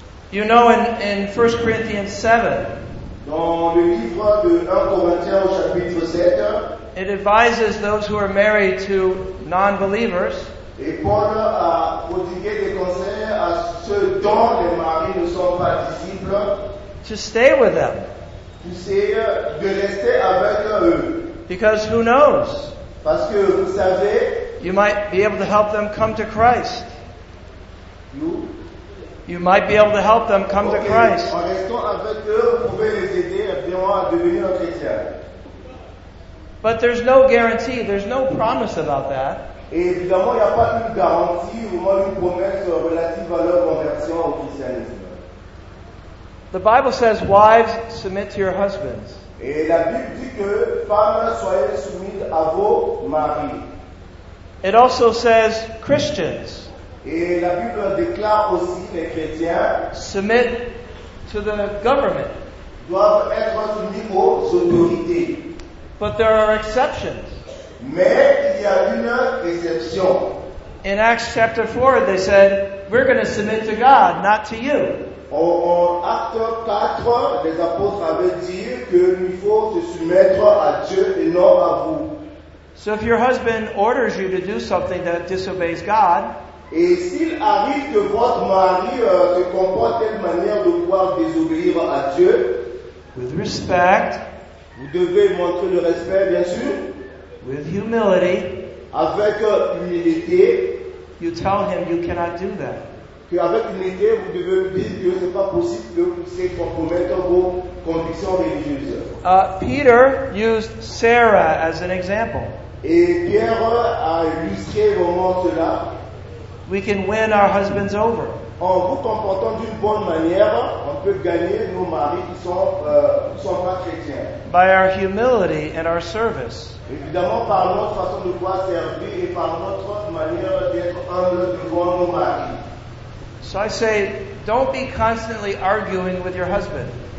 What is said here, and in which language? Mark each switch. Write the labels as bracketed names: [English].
[English] You know, in 1 Corinthians 7, it advises those who are married to non-believers to stay with them. Because who knows? [French] Parce que vous savez, [English] you might be able to help them come to Christ. You might be able to help them come to Christ. [French] En restant avec eux, vous pouvez les aider à devenir un chrétien. [English] But there's no guarantee, there's no promise about that. [French] Et évidemment, il n'y a pas une garantie ou même une promesse relative à leur conversion au christianisme. [English] The Bible says, wives, submit to your husbands. [French] Et la Bible dit que, femmes, soyez soumises à vos maris. [English] It also says, Christians. [French] Et la Bible déclare aussi les chrétiens. [English] Submit to the government. [French] Doivent être soumis aux autorités. [English] But there are exceptions. [French] Mais il y a une exception. [English] In Acts chapter 4, they said, we're going to submit to God, not to you. [French] En acte 4, les apôtres avaient dit que il faut se soumettre à Dieu et non à vous. [English] So if your husband orders you to do something that disobeys God, [French] et s'il arrive que votre mari se comporte de telle manière de pouvoir désobéir à Dieu, [English] with respect, [French] vous devez montrer le respect, bien sûr, [English] with humility, [French] avec humilité, [English] you tell him you cannot do that. [French] Qu'avec une idée, vous devez dire que ce n'est pas possible que vous puissiez compromettre vos convictions religieuses. [English] Peter used Sarah as an example. [French] Et Pierre a illustré vraiment cela. [English] We can win our husbands over. [French] En vous comportant d'une bonne manière, on peut gagner nos maris qui sont pas chrétiens. [English] By our humility and our service. [French] Évidemment, par notre façon de pouvoir servir et par notre manière d'être humble devant nos maris. [English] So I say, don't be constantly arguing with your husband.